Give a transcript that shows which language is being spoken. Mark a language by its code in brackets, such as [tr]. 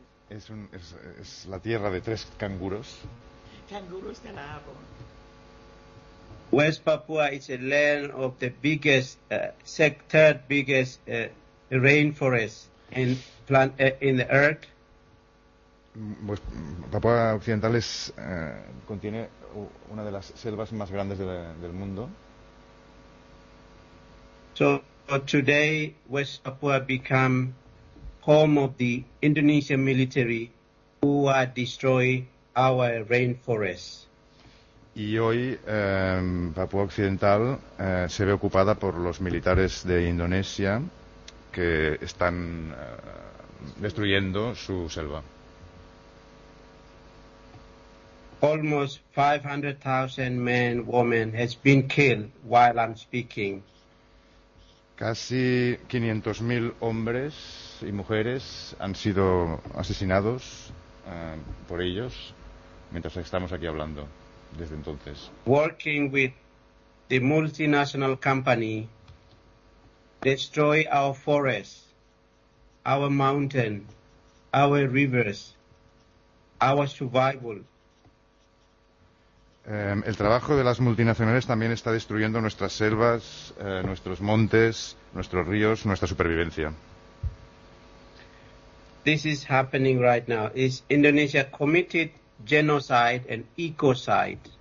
[es] Es la tierra de tres canguros. Canguros de la árbol. [en] West Papua is a land of the biggest, third biggest rainforest in the earth. [es] Pues Papua Occidental contiene una de las selvas más grandes del mundo. [en] So today West Papua become home of the Indonesian military who are destroying our rainforests. [es] Y hoy Papua Occidental se ve ocupada por los militares de Indonesia que están destruyendo su selva. [en] Almost 500,000 men, women has been killed while I'm speaking. [es] Casi 500,000 hombres y mujeres han sido asesinados por ellos mientras estamos aquí hablando desde entonces. [en] Working with the multinational company destroy our forests, our mountains, our rivers, our survival. [es] El trabajo de las multinacionales también está destruyendo nuestras selvas, nuestros montes, nuestros ríos, nuestra supervivencia. [en] This is happening right now. Is Indonesia committed genocide and ecocide?